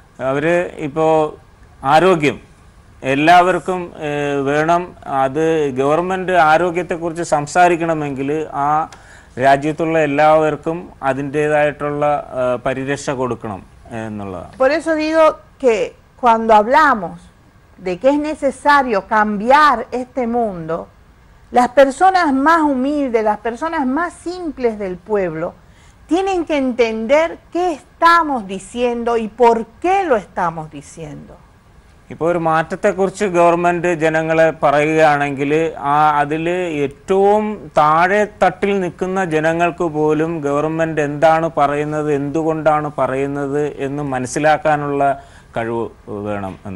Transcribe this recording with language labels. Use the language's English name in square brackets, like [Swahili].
[Malayalam] അവര് ഇപ്പോൾ ആരോഗ്യം എല്ലാവർക്കും വേണം അത് ഗവൺമെൻറ് ആരോഗ്യത്തെക്കുറിച്ച് സംസാരിക്കണമെങ്കിൽ ആ രാജ്യത്തുള്ള എല്ലാവർക്കും അതിൻ്റേതായിട്ടുള്ള പരിരക്ഷ കൊടുക്കണം എന്നുള്ളതാണ് [Spanish] Por eso digo que cuando hablamos de que es necesario cambiar este mundo, las personas más humildes, las personas más simples del pueblo tienen que entender qué estamos diciendo y por qué lo estamos diciendo. [Malayalam] ഇപ്പോൾ ഒരു മാറ്റത്തെക്കുറിച്ച് government ജനങ്ങളെ പറയുകയാണെങ്കിൽ ആ അതിൽ ഏറ്റവും താഴെ തട്ടിൽ നിൽക്കുന്ന ജനങ്ങൾക്ക് പോലും ഗവൺമെൻറ് എന്താണ് പറയുന്നത് എന്തുകൊണ്ടാണ് പറയുന്നത് എന്ന് മനസ്സിലാക്കാനുള്ള കഴിവ് വേണം